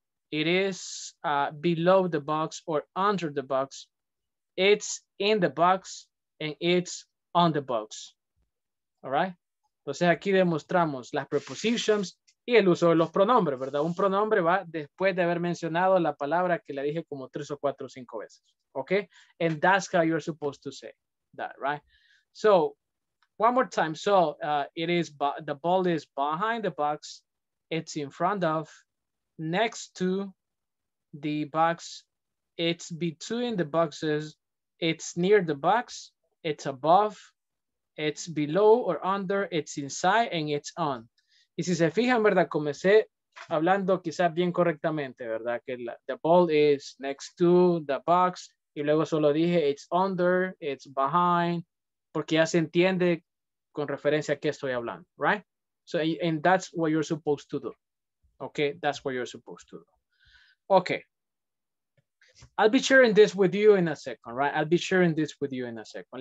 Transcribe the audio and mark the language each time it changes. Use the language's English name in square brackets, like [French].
[English] It is below the box or under the box. It's in the box and it's on the box, all right? [Spanish] Entonces aquí demostramos las prepositions y el uso de los pronombres, ¿verdad? Un pronombre va después de haber mencionado la palabra que le dije como 3, 4, 5 veces, okay? [English] And that's how you're supposed to say that, right? So, one more time. So, it is, the ball is behind the box. It's in front of, next to the box. It's between the boxes. It's near the box. It's above. It's below or under. It's inside and it's on. [Spanish] Y si se fijan, ¿verdad? Comencé hablando quizás bien correctamente, ¿verdad? Que la, [English] the ball is next to the box. [Spanish] Y luego solo dije, [English] it's under, it's behind. [Spanish] Porque ya se entiende con referencia a qué estoy hablando, right? [English] So, and that's what you're supposed to do. Okay, that's what you're supposed to do. Okay. I'll be sharing this with you in a second, right? I'll be sharing this with you in a second.